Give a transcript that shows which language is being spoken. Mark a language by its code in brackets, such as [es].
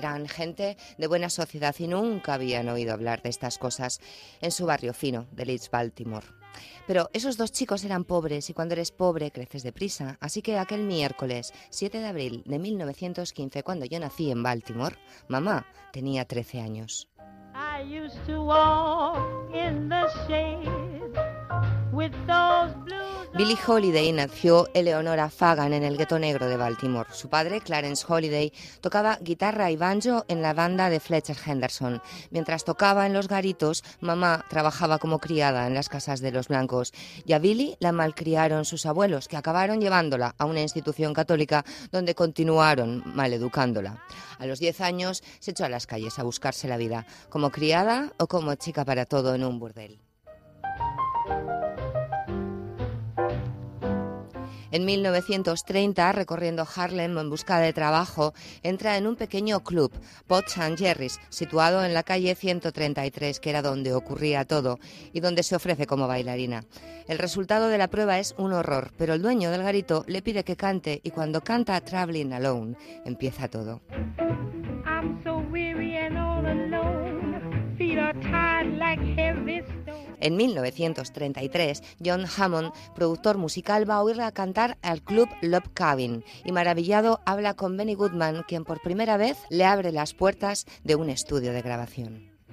[es] Eran gente de buena sociedad y nunca habían oído hablar de estas cosas en su barrio fino de Leeds, Baltimore. Pero esos dos chicos eran pobres y cuando eres pobre creces deprisa. Así que aquel miércoles 7 de abril de 1915, cuando yo nací en Baltimore, mamá tenía 13 años. [en] I used to walk in the shade with those blue... [es] Billie Holiday nació Eleonora Fagan en el gueto negro de Baltimore. Su padre, Clarence Holiday, tocaba guitarra y banjo en la banda de Fletcher Henderson. Mientras tocaba en los garitos, mamá trabajaba como criada en las casas de los blancos. Y a Billie la malcriaron sus abuelos, que acabaron llevándola a una institución católica donde continuaron maleducándola. A los 10 años se echó a las calles a buscarse la vida, como criada o como chica para todo en un burdel. En 1930, recorriendo Harlem en busca de trabajo, entra en un pequeño club, Potts & Jerry's, situado en la calle 133, que era donde ocurría todo, y donde se ofrece como bailarina. El resultado de la prueba es un horror, pero el dueño del garito le pide que cante, y cuando canta Traveling Alone, empieza todo. [en] I'm so weary and all alone, feet are tied like heavy stone. [es] En 1933, John Hammond, productor musical, va a oírla cantar al club Love Cabin y, maravillado, habla con Benny Goodman, quien por primera vez le abre las puertas de un estudio de grabación.